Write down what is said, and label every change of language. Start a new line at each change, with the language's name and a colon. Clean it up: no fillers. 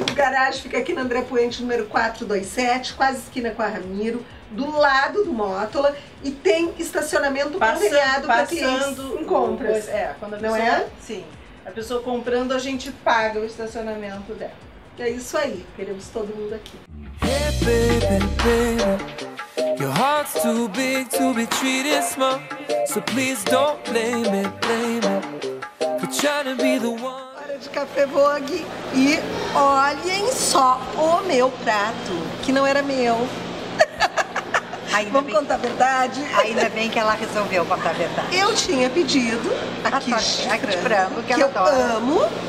Portuguese: O garagem fica aqui na André Puente, número 427, quase esquina com a Ramiro, do lado do Mótola, e tem estacionamento conveniado para clientes em compras. É, quando a pessoa... Não é? Sim. A pessoa comprando, a gente paga o estacionamento dela. É isso aí. Queremos todo mundo aqui.
English: Hey, baby, baby. Your heart's too big to be treated small. So please don't blame it, blame it. For trying to be the one.
Portuguese: Hora de Café Vogue. E olhem só o meu prato, que não era meu. Ainda vamos bem, contar a verdade? Ainda bem que ela resolveu contar a verdade. Eu tinha pedido a quiche de frango, que eu adora, amo.